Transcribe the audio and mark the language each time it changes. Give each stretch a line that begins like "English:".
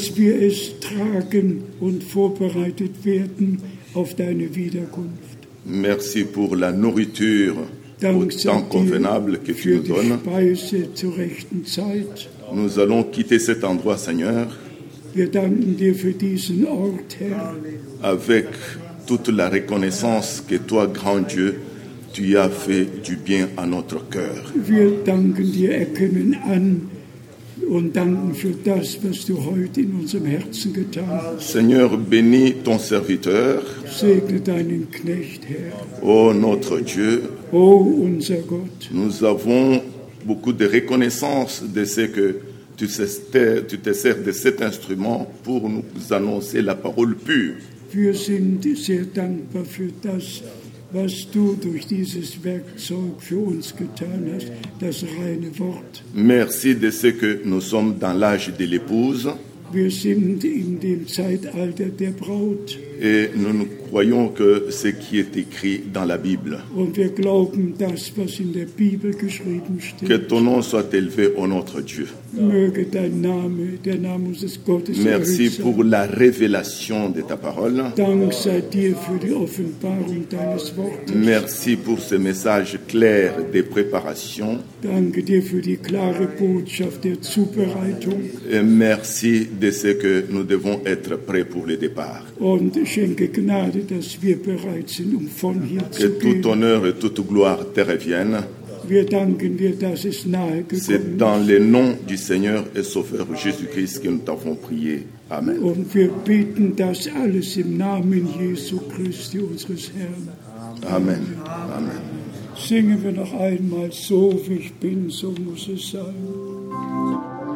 German: Dass wir es tragen und vorbereitet werden auf deine Wiederkunft.
French: Merci pour la nourriture au temps convenable que tu nous donnes.
German: Speise zur rechten Zeit.
French: Nous allons quitter cet endroit, Seigneur,
German: wir danken dir für diesen Ort, Herr,
French: avec toute la reconnaissance que toi, grand Dieu, tu y as fait du bien à notre cœur.
German: Wir danken dir, erkennen an und danken für das, was du heute in unserem Herzen getan hast.
French: Seigneur, bénis ton serviteur.
German: Segne deinen Knecht, Herr.
French: Ô notre Dieu.
German: Ô unser Gott.
French: Nous avons beaucoup de reconnaissance de ce que tu te sers de cet instrument pour nous annoncer la parole pure.
German: Wir sind sehr dankbar für das, was du durch dieses Werkzeug für uns getan hast, das reine Wort.
French: Merci de ce que nous sommes dans l'âge de l'épouse.
German: Wir sind in dem Zeitalter der Braut.
French: Et nous croyons que ce qui est écrit dans la Bible.
German: Und wir glauben das, was in der Bibel geschrieben steht.
French: Que ton nom soit élevé, ô notre Dieu.
German: Möge dein Name, der Name unseres Gottes,
French: merci pour la révélation de ta parole.
German: Dank sei dir für die Offenbarung deines Wortes.
French: Merci pour ce message clair de préparation.
German: Danke dir für die klare Botschaft der Zubereitung.
French: Et merci de ce que nous devons être prêts pour le départ.
German: Und schenke Gnade, dass wir bereit sind, von hier zu gehen.
French: Que tout honneur et toute gloire te reviennent.
German: Wir danken dir, dass es nahe gekommen ist.
French: C'est dans le nom du Seigneur et Sauveur Jésus-Christ que nous t'avons prié. Amen.
German: Und wir beten das alles im Namen Jesu Christi, unseres Herrn. Amen. Amen. Singen wir noch einmal, so wie ich bin, so muss es sein.